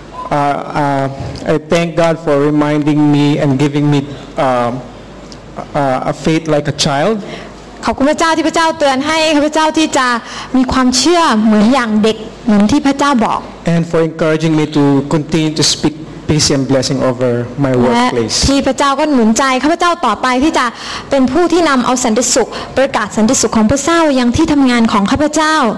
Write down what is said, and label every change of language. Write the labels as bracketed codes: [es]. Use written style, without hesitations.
[en] I thank God for reminding me and giving me a faith like a child. [th] ขอบคุณพระเจ้าที่พระเจ้าเตือนให้พระเจ้าที่จะมีความเชื่อเหมือนอย่างเด็กเหมือนที่พระเจ้าบอก [en] And for encouraging me to continue to speak peace and blessing over my workplace. [th] ที่พระเจ้าก็หนุนใจข้าพเจ้าต่อไปที่จะเป็นผู้ที่นำเอาสันติสุขประกาศสันติสุขของพระเจ้ายังที่ทำงานของข้าพเจ้า